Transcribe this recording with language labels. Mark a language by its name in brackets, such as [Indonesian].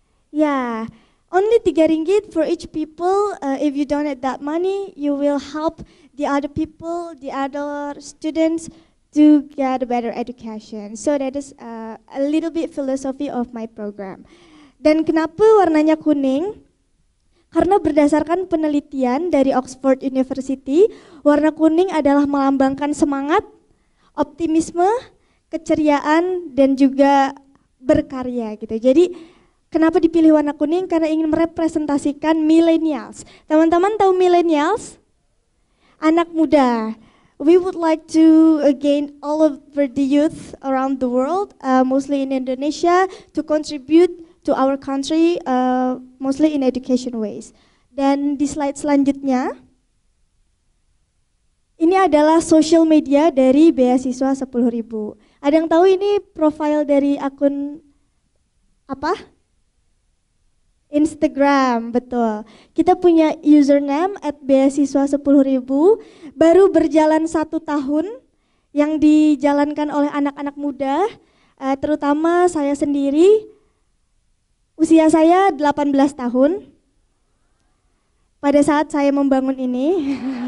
[English] Yeah, only 3 ringgit for each people. If you donate that money, you will help the other people, the other students, to get a better education. So that is a little bit philosophy of my program. [Indonesian] Dan kenapa warnanya kuning? Karena berdasarkan penelitian dari Oxford University, warna kuning adalah melambangkan semangat, optimisme, keceriaan, dan juga berkarya gitu. Jadi kenapa dipilih warna kuning? Karena ingin merepresentasikan millennials. Teman-teman tahu millennials? Anak muda. [English] We would like to gain all of the youth around the world, mostly in Indonesia, to contribute to our country, mostly in education ways. [Indonesian] Dan di slide selanjutnya, ini adalah social media dari Beasiswa 10.000. Ada yang tahu ini profile dari akun apa? Instagram, betul. Kita punya username at beasiswa 10.000, baru berjalan 1 tahun yang dijalankan oleh anak-anak muda, terutama saya sendiri, usia saya 18 tahun pada saat saya membangun ini.